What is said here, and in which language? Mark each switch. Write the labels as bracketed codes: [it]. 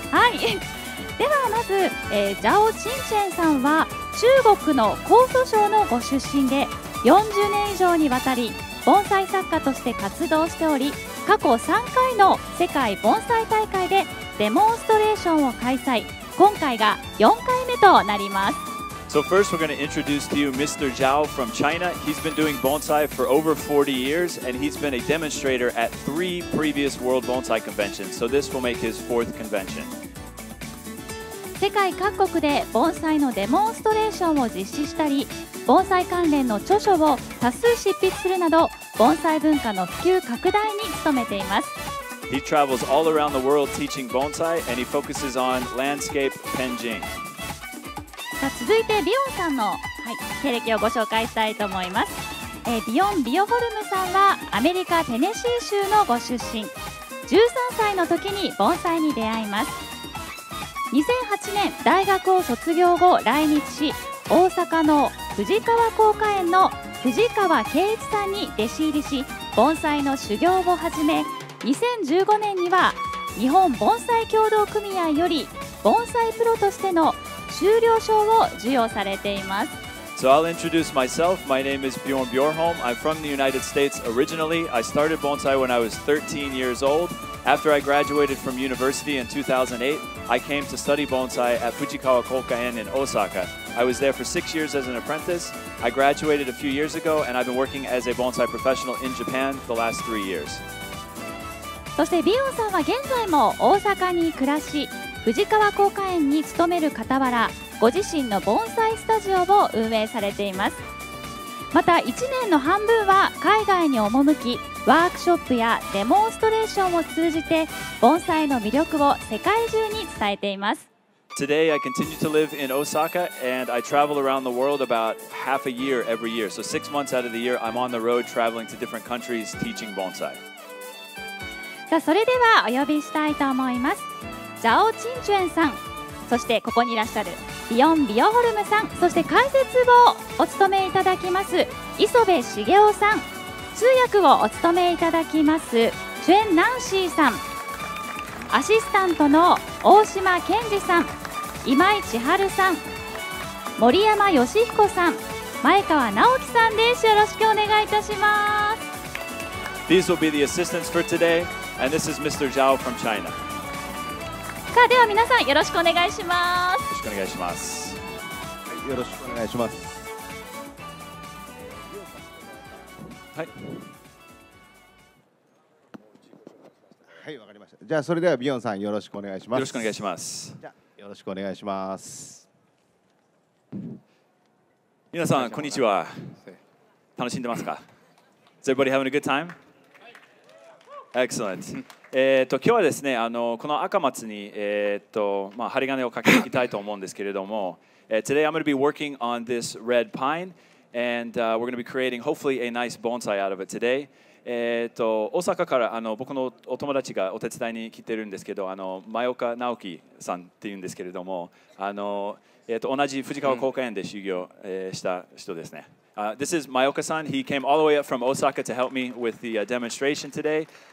[ja] はい、ではまず、ジャオ・チンチェンさんは中国の江蘇省のご出身で、40年以上にわたり盆栽作家として活動しており、過去3回の世界盆栽大会でデモンストレーションを開催、今回が4回目となります。 [en] So first we're going to introduce to you Mr. Zhao from China. He's been doing bonsai for over 40 years and he's been a demonstrator at 3 previous World Bonsai Conventions. So this will make his 4th convention. [ja] 世界各国で盆栽のデモンストレーションを実施したり、盆栽関連の著書を多数執筆するなど、盆栽文化の普及拡大に努めています。 [en] He travels all around the world teaching bonsai and he focuses on landscape Penjing. [ja] さあ、続いてビヨンさんの、はい、経歴をご紹介したいと思います。ビヨン・ビオホルムさんはアメリカ・テネシー州のご出身。 13歳の時に盆栽に出会います。 2008年大学を卒業後来日し、大阪の藤川光華園の藤川圭一さんに弟子入りし、盆栽の修行を始め、2015年には日本盆栽協同組合より盆栽プロとしての修了証を授与されています。 [en] So I'll introduce myself. My name is Bjorn Bjornholm. I'm from the United States originally. I started bonsai when I was 13 years old. After I graduated from university in 2008, I came to study bonsai at Fujikawa Kokkaen in Osaka. I was there for 6 years as an apprentice. I graduated a few years ago and I've been working as a bonsai professional in Japan for the last 3 years. [ja] そしてビヨンさんは現在も大阪に暮らし、藤川光華園に勤める傍ら、ご自身の盆栽スタジオを運営されています。また1年の半分は海外に赴き、ワークショップやデモンストレーションを通じて盆栽の魅力を世界中に伝えています。 [en] Today I continue to live in Osaka and I travel around the world about half a year every year. So 6 months out of the year I'm on the road traveling to different countries teaching bonsai. [ja] さあ、それではお呼びしたいと思います。ジャオ・チンチュエンさん、そしてここにいらっしゃるビヨン・ビオホルムさん、そして解説をお務めいただきます磯部茂雄さん、通訳をお務めいただきますチュエン・ナンシーさん、アシスタントの大島健二さん、今井千春さん、森山義彦さん、前川直樹さんです。よろしくお願いいたします。 [en] These will be the assistants for today and this is Mr. Zhao from China. [ja] さあ、では皆さんよろしくお願いします。よろしくお願いします。はい、よろしくお願いします。はい、はい、わかりました。じゃあそれではビヨンさん、よろしくお願いします。よろしくお願いします。じゃあよろしくお願いします。皆さんこんにちは。楽しんでますか？ [en] Is everybody having a good time? Excellent. [ja] 今日はですね、この赤松に、針金をかけていきたいと思うんですけれども、 [en] Today I'm going to be working on this red pine and we're going to be creating hopefully a nice bonsai out of it today. [ja] 大阪から僕のお友達がお手伝いに来てるんですけど、前岡直樹さんっていうんですけれども、同じ藤川光華園で修行、した人ですね。 [en] This is Mayoka-san. He came all the way up from Osaka to help me with the demonstration today.